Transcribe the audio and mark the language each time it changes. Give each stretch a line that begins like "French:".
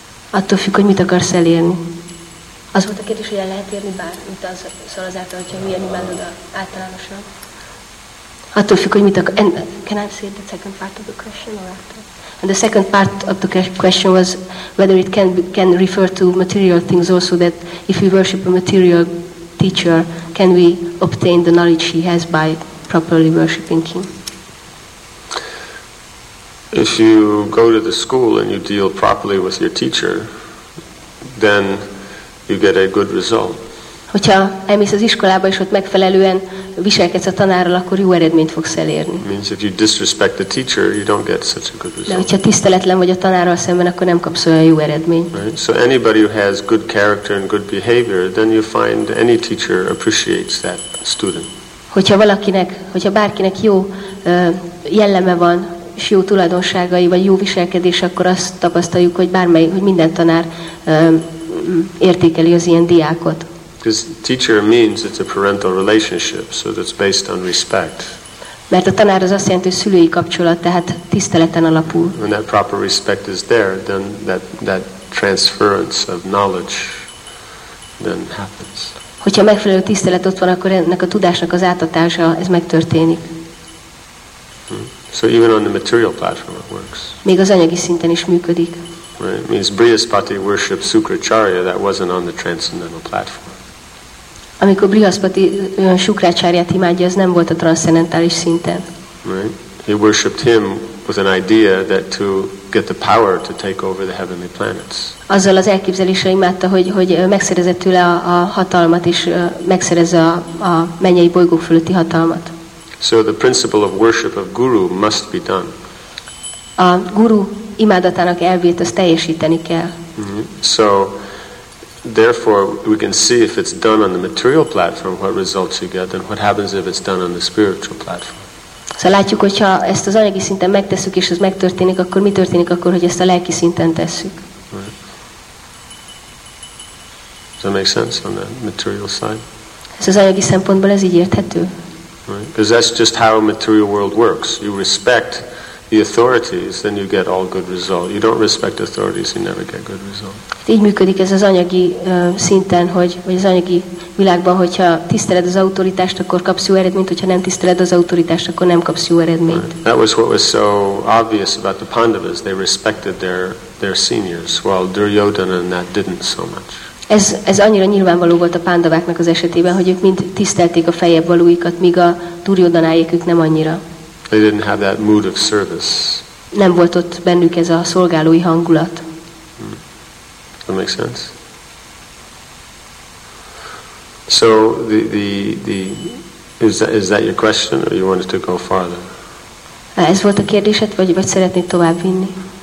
Hungarian: Attól függ, hogy mit akarsz elérni. Az volt a kérdés, hogy el lehet érni bármit, szóval azáltal, hogyha milyen imádod általánosan. Attól függ, hogy mit akar.
English: Can I say the second part of the question or after? And the second part of the question was whether it can refer to material things also, that if we worship a material teacher, can we obtain the knowledge he has by properly worshiping him? If you go to the school and you deal properly with your teacher, then you get a good result.
Hungarian: Hogyha elmész az iskolába és ott megfelelően viselkedsz a tanárral, akkor jó eredményt fogsz elérni.
English: Means if you disrespect the teacher, you don't get such a good result.
Hungarian: De hogyha tiszteletlen vagy a tanárral szemben, akkor nem kapsz olyan jó eredményt.
English: Right? So anybody who has good character and good behavior, then you find any teacher appreciates that student.
Hungarian: Hogyha bárkinek jó jelleme van, és jó tulajdonságai, vagy jó viselkedés, akkor azt tapasztaljuk, hogy minden tanár értékeli az ilyen diákot.
English: Because teacher means it's a parental relationship, so that's based on respect.
Hungarian: Mert a tanár az azt jelenti, hogy szülői kapcsolat, tehát tiszteleten alapul.
English: When that proper respect is there, then that transference of knowledge then happens.
Hungarian: Hogyha megfelelő tisztelet ott van, akkor ennek a tudásnak az átadása, ez megtörténik.
English: So even on the material platform it works.
Hungarian: Még az anyagi szinten is működik.
English: Right. It means Brihaspati worshipped Sukracharya, that wasn't on the transcendental platform.
Hungarian: Amikor Brihaspati Sukracharyát imádja, az nem volt a transzcendentális szinten.
English: Right. He worshipped him with an idea that to get the power to take over the heavenly planets.
Hungarian: Azzal az elképzeléssel imádta, hogy megszerezett tőle a hatalmat, és megszerezze a mennyei bolygók fölötti hatalmat.
English: So the principle of worship of guru must be done.
Hungarian: A guru imádatának elvét azt teljesíteni kell. Mm-hmm.
English: So therefore we can see if it's done on the material platform what results you get, and what happens if it's done on the spiritual platform.
Hungarian: Szóval látjuk, hogyha ezt az anyagi szinten megtesszük, és ez megtörténik, akkor mi történik akkor, hogy ezt a lelki szinten tesszük?
English: Right. Does that make sense on the material side?
Hungarian: Ez az anyagi szempontból ez így érthető.
English: Right? Because that's just how a material world works. You respect the authorities, then you get all good results. You don't respect authorities, you never get good results.
Hungarian: Így működik ez az anyagi szinten, hogy vagy az anyagi világban, hogyha tiszteled az autoritást, akkor kapsz jó eredményt, hogyha nem tiszteled az autoritást, akkor nem kapsz jó eredményt.
English: Right. That was what was so obvious about the Pandavas. They respected their seniors, while Duryodhana and that didn't so much.
Hungarian: Ez annyira nyilvánvaló volt a pándaváknak az esetében, hogy ők mind tisztelték a feljebb valóikat, míg a Duryodhanáék ők nem annyira.
English: They didn't have that mood of service.
Hungarian: Nem volt ott bennük ez a szolgálói hangulat.
English: Hmm. That makes sense. So the is that your question, or you wanted to go farther?
Hungarian: Ez volt a kérdésed, vagy szeretnéd tovább vinni?